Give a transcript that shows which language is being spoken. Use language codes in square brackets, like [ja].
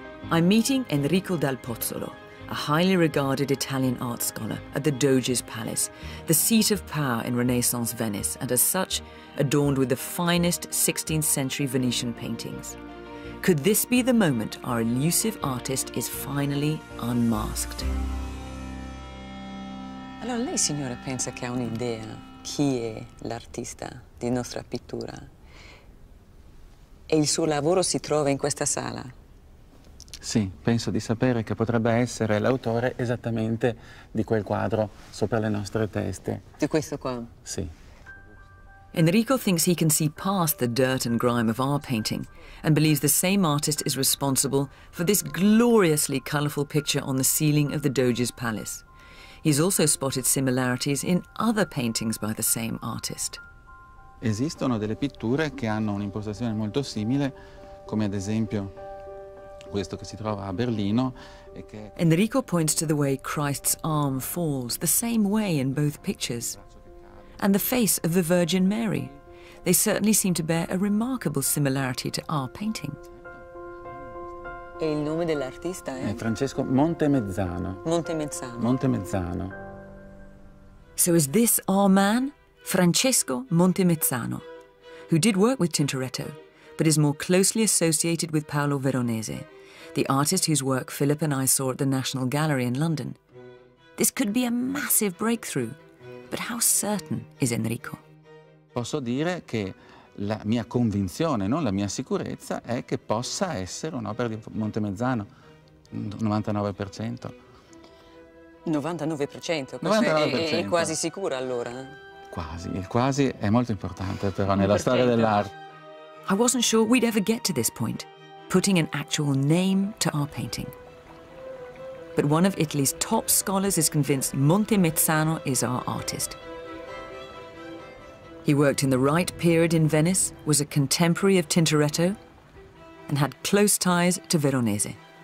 [en] I'm meeting Enrico Dal Pozzolo, a highly regarded Italian art scholar at the Doge's Palace, the seat of power in Renaissance Venice, and as such, adorned with the finest 16th century Venetian paintings. Could this be the moment our elusive artist is finally unmasked? [it] Allora, lei, signora, pensa che ha un'idea chi è l'artista di nostra pittura? E il suo lavoro si trova in questa sala? Sì, penso di sapere che potrebbe essere l'autore esattamente di quel quadro sopra le nostre teste. Di questo qua? Sì. [en] Enrico thinks he can see past the dirt and grime of our painting and believes the same artist is responsible for this gloriously colourful picture on the ceiling of the Doge's palace. He's also spotted similarities in other paintings by the same artist. [it] Esistono delle pitture che hanno un'impostazione molto simile, come ad esempio questo che si trova a Berlino. [en] Enrico points to the way Christ's arm falls, the same way in both pictures. And the face of the Virgin Mary. They certainly seem to bear a remarkable similarity to our painting. [it] E il nome dell'artista è? Francesco Montemezzano. Montemezzano. Montemezzano. [en] So is this our man? Francesco Montemezzano, who did work with Tintoretto, but is more closely associated with Paolo Veronese, the artist whose work Philip and I saw at the National Gallery in London. This could be a massive breakthrough, but how certain is Enrico? [it] Posso dire che la mia convinzione, non la mia sicurezza, è che possa essere un'opera di Montemezzano, 99%. 99%? È quasi sicura, allora? Quasi. Il quasi è molto importante, però, nella storia dell'arte. [en] I wasn't sure we'd ever get to this point, putting an actual name to our painting. But one of Italy's top scholars is convinced Montemezzano is our artist. He worked in the right period in Venice, was a contemporary of Tintoretto, and had close ties to Veronese.